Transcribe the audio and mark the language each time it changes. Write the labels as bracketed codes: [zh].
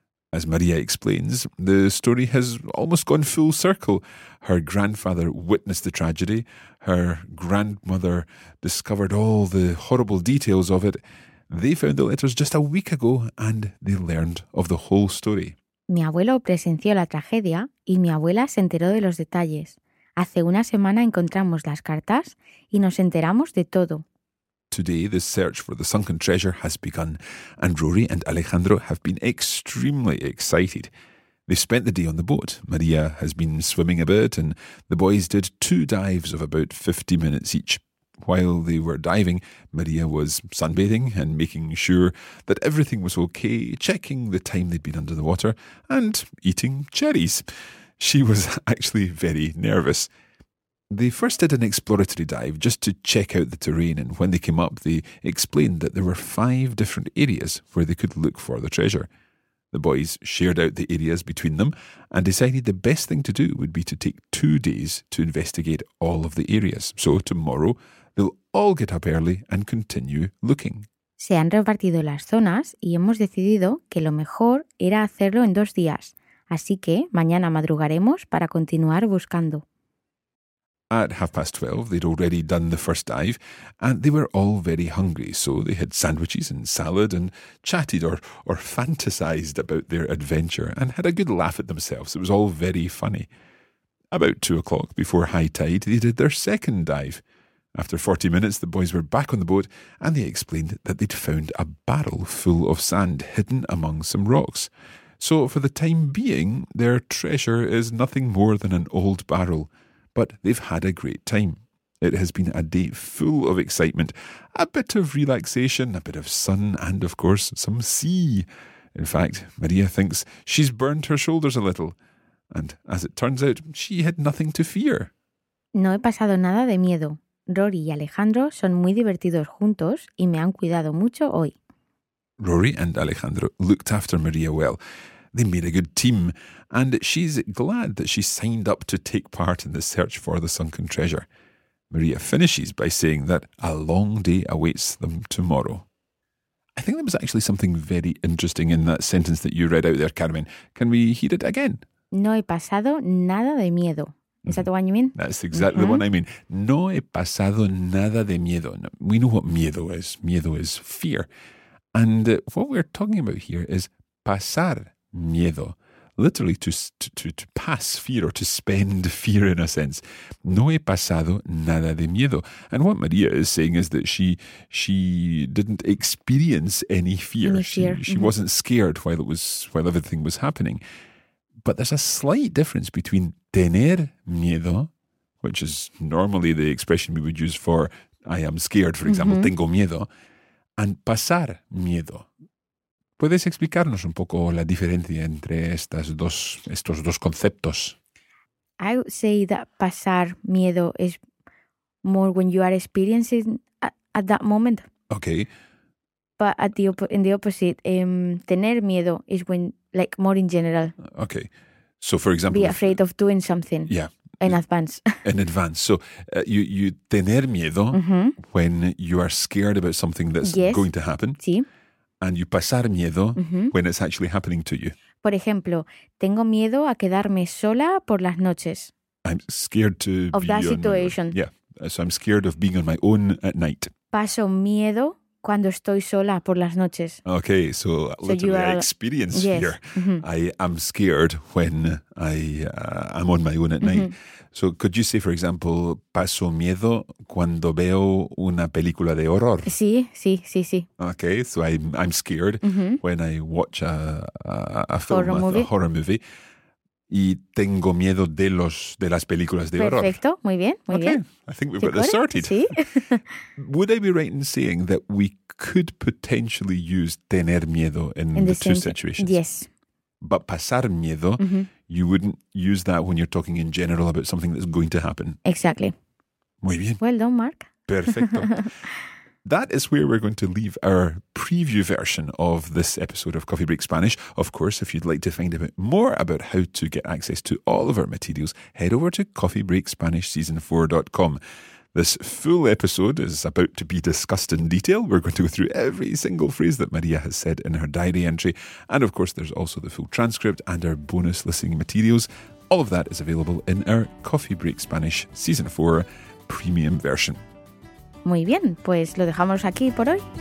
[en] As Maria explains, the story has almost gone full circle. Her grandfather witnessed the tragedy. Her grandmother discovered all the horrible details of it. They found the letters just a week ago and they learned of the whole story. [es] Mi abuelo presenció la tragedia y mi abuela se enteró de los detalles. Hace una semana encontramos las cartas y nos enteramos de todo. [en] Today, the search for the sunken treasure has begun, and Rory and Alejandro have been extremely excited. They spent the day on the boat. Maria has been swimming a bit, and the boys did two dives of about 50 minutes each. While they were diving, Maria was sunbathing and making sure that everything was okay, checking the time they'd been under the water, and eating cherries. She was actually very nervous. They first did an exploratory dive just to check out the terrain, and when they came up, they explained that there were five different areas where they could look for the treasure. The boys shared out the areas between them and decided the best thing to do would be to take 2 days to investigate all of the areas. So tomorrow, they'll all get up early and continue looking. [es] Se han repartido las zonas y hemos decidido que lo mejor era hacerlo en 2 días. Así que mañana madrugaremos para continuar buscando. [en] At 12:30, they'd already done the first dive and they were all very hungry, so they had sandwiches and salad and chatted or fantasized about their adventure and had a good laugh at themselves. It was all very funny. About 2:00, before high tide, they did their second dive. After 40 minutes, the boys were back on the boat and they explained that they'd found a barrel full of sand hidden among some rocks. So for the time being, their treasure is nothing more than an old barrel. But they've had a great time. It has been a day full of excitement, a bit of relaxation, a bit of sun, and of course, some sea. In fact, Maria thinks she's burned her shoulders a little. And as it turns out, she had nothing to fear. [es] No he pasado nada de miedo. Rory y Alejandro son muy divertidos juntos y me han cuidado mucho hoy. [en] Rory and Alejandro looked after Maria well. They made a good team, and she's glad that she signed up to take part in the search for the sunken treasure. Maria finishes by saying that a long day awaits them tomorrow. I think there was actually something very interesting in that sentence that you read out there, Carmen. Can we hear it again? [es] No he pasado nada de miedo. [en] Is that the one you mean? That's exactly the one I mean. [es] No he pasado nada de miedo. [en] We know what miedo is. Miedo is fear. And what we're talking about here is pasar miedo. Literally to pass fear or to spend fear in a sense. [es] No he pasado nada de miedo. [en] And what Maria is saying is that she didn't experience any fear. Any fear. She wasn't scared while everything was happening. But there's a slight difference between tener miedo, which is normally the expression we would use for I am scared, for example, [es] tengo miedo, [en] and pasar miedo. [es] ¿Puedes explicarnos un poco la diferencia entre estos dos conceptos? [en] I would say that pasar miedo is more when you are experiencing at that moment. Okay. But in the opposite, tener miedo is when, like, more in general. Okay. So, for example... Be afraid of doing something. Yeah. In advance. In advance. So, you tener miedo when you are scared about something that's going to happen. [es] Sí. [en] And you pasar miedo when it's actually happening to you. [es] Por ejemplo, tengo miedo a quedarme sola por las noches. [en] I'm scared to of be that on, situation. Yeah. So, I'm scared of being on my own at night. [es] Paso miedo cuando estoy sola por las noches. [en] Okay, so literally so I experience fear. Yes. I am scared when I'm on my own at night. So could you say, for example, [es] paso miedo cuando veo una película de horror? Sí. [en] Okay, so I'm scared when I watch a horror movie. [es] Y tengo miedo de las películas de horror. Perfecto, muy bien, muy bien. [en] Okay, I think we've got this sorted. [es] ¿Sí? [en] Would I be right in saying that we could potentially use tener miedo in the two situations? Yes. But pasar miedo, you wouldn't use that when you're talking in general about something that's going to happen. Exactly. [es] Muy bien. [en] Well done, Mark. [es] Perfecto. [en] That is where we're going to leave our preview version of this episode of Coffee Break Spanish. Of course, if you'd like to find out more about how to get access to all of our materials, head over to coffeebreakspanishseason4.com. This full episode is about to be discussed in detail. We're going to go through every single phrase that Maria has said in her diary entry. And of course, there's also the full transcript and our bonus listening materials. All of that is available in our Coffee Break Spanish Season 4 premium version. [es] Muy bien, pues lo dejamos aquí por hoy.